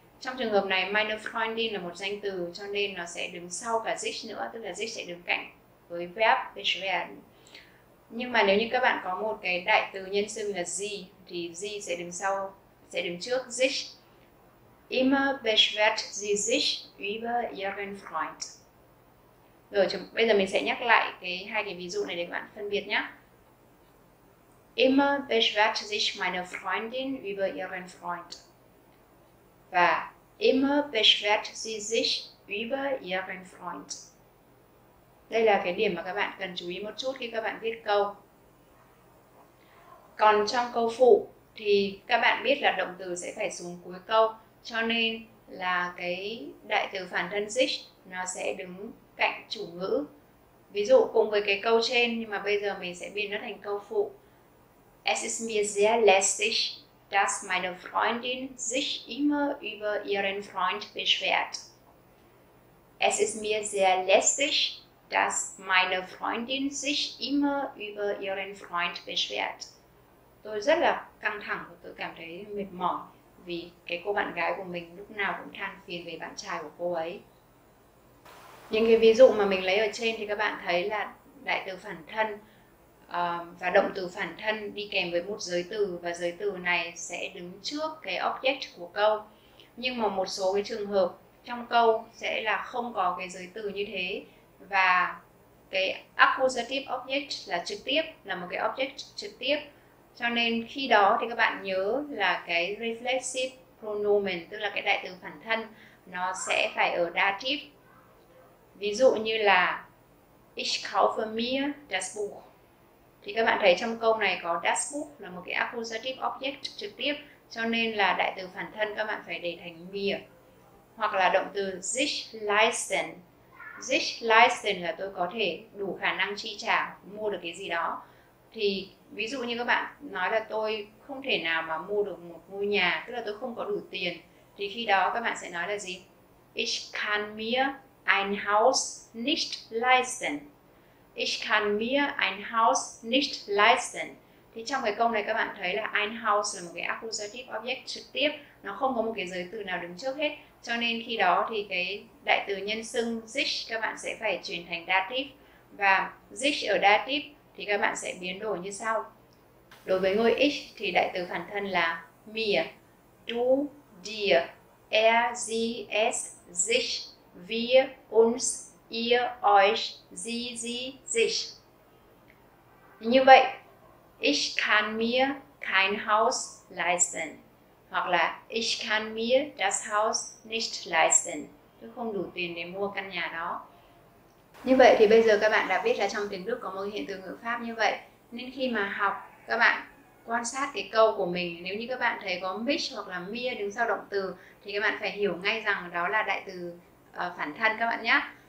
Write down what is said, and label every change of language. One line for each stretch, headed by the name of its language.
Vietnamese: Trong trường hợp này,
German: meine Freundin
Vietnamese: là một danh từ cho nên nó sẽ đứng sau cả sich nữa, tức là sich sẽ đứng cạnh với verb beschweren. Nhưng mà nếu như các bạn có một cái đại từ nhân xưng là sie thì sie sẽ đứng sau, sẽ đứng trước sich.
German: Immer beschwert sie sich über ihren Freund.
Vietnamese: Rồi bây giờ mình sẽ nhắc lại cái hai cái ví dụ này để các bạn phân biệt nhé.
German: Immer beschwert sich meine Freundin über ihren Freund.
Vietnamese: Và
German: immer beschwert sie sich über ihren Freund.
Vietnamese: Đây là cái điểm mà các bạn cần chú ý một chút khi các bạn viết câu. Còn trong câu phụ thì các bạn biết là động từ sẽ phải xuống cuối câu, cho nên là cái đại từ phản thân sich nó sẽ đứng cạnh chủ ngữ. Ví dụ cùng với cái câu trên nhưng mà bây giờ mình sẽ biến nó thành câu phụ.
German: Es ist mir sehr lästig, dass meine Freundin sich immer über ihren Freund beschwert. Es ist mir sehr lästig, dass meine Freundin sich immer über ihren Freund beschwert.
Vietnamese: Tôi rất là căng thẳng và tôi cảm thấy mệt mỏi vì cái cô bạn gái của mình lúc nào cũng than phiền về bạn trai của cô ấy. Những cái ví dụ mà mình lấy ở trên thì các bạn thấy là đại từ phản thân và động từ phản thân đi kèm với một giới từ, và giới từ này sẽ đứng trước cái object của câu. Nhưng mà một số cái trường hợp trong câu sẽ là không có cái giới từ như thế, và cái
English: accusative object
Vietnamese: là trực tiếp, là một cái object trực tiếp. Cho nên khi đó thì các bạn nhớ là cái
English: reflexive pronomen,
Vietnamese: tức là cái đại từ phản thân, nó sẽ phải ở đa tiếp. Ví dụ như là
German: Ich kaufe mir das Buch.
Vietnamese: Thì các bạn thấy trong câu này có
German: das Buch
Vietnamese: là một cái accusative object trực tiếp, cho nên là đại từ phản thân các bạn phải để thành mir. Hoặc là động từ sich leisten.
German: Sich leisten
Vietnamese: là tôi có thể đủ khả năng chi trả mua được cái gì đó. Thì ví dụ như các bạn nói là tôi không thể nào mà mua được một ngôi nhà, tức là tôi không có đủ tiền, thì khi đó các bạn sẽ nói là gì?
German: Ich kann mir ein Haus nicht leisten. Ich kann mir ein Haus nicht leisten.
Vietnamese: Thì trong cái câu này các bạn thấy là
German: ein Haus
Vietnamese: là một cái accusative object trực tiếp, nó không có một cái giới từ nào đứng trước hết. Cho nên khi đó thì cái đại từ nhân xưng sich các bạn sẽ phải chuyển thành dative. Và sich ở dative thì các bạn sẽ biến đổi như sau. Đối với ngôi ich thì đại từ phản thân là
German: mir, du, dir, er, sie, es, sich, wir, uns, ihr, euch, sie, sie, sich.
Vietnamese: Như vậy,
German: ich kann mir kein Haus leisten.
Vietnamese: Hoặc là
German: ich kann mir das Haus nicht leisten.
Vietnamese: Tôi không đủ tiền để mua căn nhà đó. Như vậy thì bây giờ các bạn đã biết là trong tiếng Đức có một hiện từ ngữ pháp như vậy. Nên khi mà học, các bạn quan sát cái câu của mình, nếu như các bạn thấy có mich hoặc là mir đứng sau động từ thì các bạn phải hiểu ngay rằng đó là đại từ phản thân các bạn nhé.